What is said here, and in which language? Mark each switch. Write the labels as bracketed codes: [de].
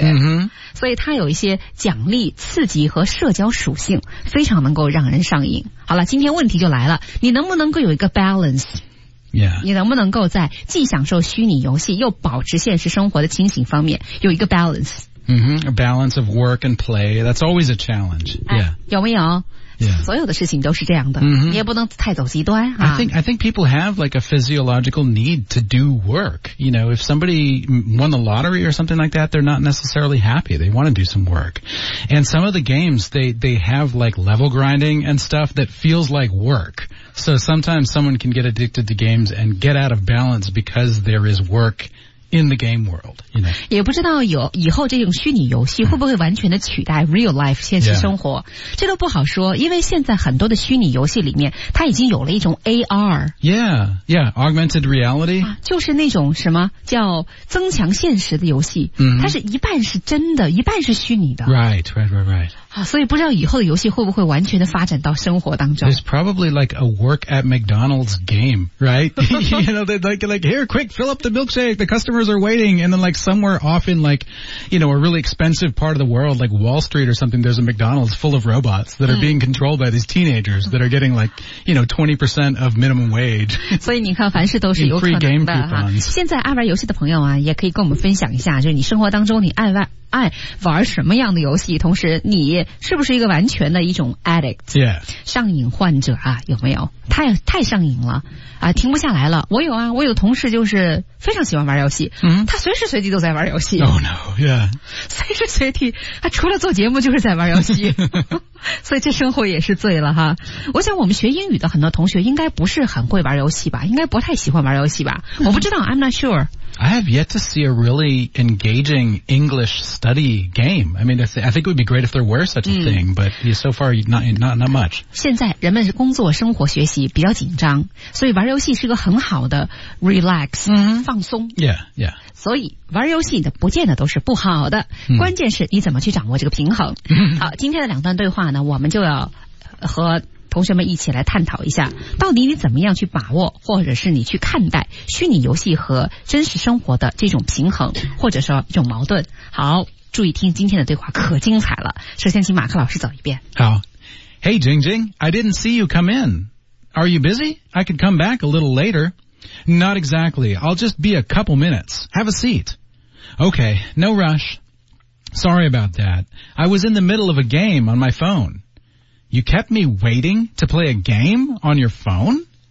[zh] 嗯、mm-hmm. 所以它有一些奖励、刺激和社交属性，非常能够让人上瘾。好了，今天问题就来了，你能不能够有一个 balance？ [en] Yeah. [zh] 你能不能够在既享受虚拟游戏又保持现实生活的清醒方面有一个 balance？ [en] Mm-hmm. A balance of work and play. That's always a challenge. Yeah. [zh] 哎、有没有？所有的事情都是这样的、 mm-hmm. 你也不能太走极端、啊、 [en] I think people have like a physiological need to do work. You know, if somebody won the lottery or something like that, they're not necessarily happy. They want to do some work. And some of the games, they have like level grinding and stuff that feels like work. So sometimes someone can get addicted to games and get out of balance because there is workin the game world, you know. [zh] 也不知道有以后这种虚拟游戏会不会完全的取代 [en] real life [zh] 现实生活、 [en] yeah. [zh] 这都不好说，因为现在很多的虚拟游戏里面它已经有了一种 AR. [en] Yeah, yeah, augmented reality.、 [zh] 啊、就是那种什么叫增强现实的游戏、 mm-hmm. 它是一半是真的一半是虚拟的。 [en] Right, right, right, right. [zh] 所以不知道以后的游戏会不会完全的发展到生活当中。 [en] It's probably like a work at McDonald's game, right? You know, they're like, here, quick, fill up the milkshake. The customers are waiting. And then like somewhere off in like, you know, a really expensive part of the world, like Wall Street or something, there's a McDonald's full of robots that are being controlled by these teenagers that are getting like, you know, 20% of minimum wage. [zh] 所以你看凡事都是有可能的。现在爱玩游戏的朋友啊，也可以跟我们分享一下，就是你生活当中你爱玩什么样的游戏，同时你是不是一个完全的一种 addict、 [en] yeah. [zh] 上瘾患者啊，有没有太上瘾了啊，停不下来了。我有啊，我有同事就是非常喜欢玩游戏、 mm-hmm. 他随时随地都在玩游戏。 [en] Oh no, yeah. [zh] 随时随地他除了做节目就是在玩游戏所以这生活也是醉了哈。我想我们学英语的很多同学应该不是很会玩游戏吧，应该不太喜欢玩游戏吧、mm-hmm. 我不知道 [en] I'm not sure. I have yet to see a really engaging Englishstudy game. I mean, I think it would be great if there were such a thing, but so far not much. [zh] 现在人们工作生活学习比较紧张，所以玩游戏是个很好的 relax、 mm-hmm. 放松。 [en] Yeah, yeah. [zh] 所以玩游戏的不见得都是不好的、mm-hmm. 关键是你怎么去掌握这个平衡。好，今天的两段对话呢，我们就要和同学们一起来探讨一下，到底你怎么样去把握或者是你去看待虚拟游戏和真实生活的这种平衡或者说一种矛盾。好，注意听今天的对话，可精彩了。首先请马克老师走一遍。好。 [en] Hey Jing Jing, I didn't see you come in. Are you busy? I could come back a little later. Not exactly, I'll just be a couple minutes. Have a seat. Okay, no rush. Sorry about that. I was in the middle of a game on my phoneYou kept me waiting to play a game on your phone?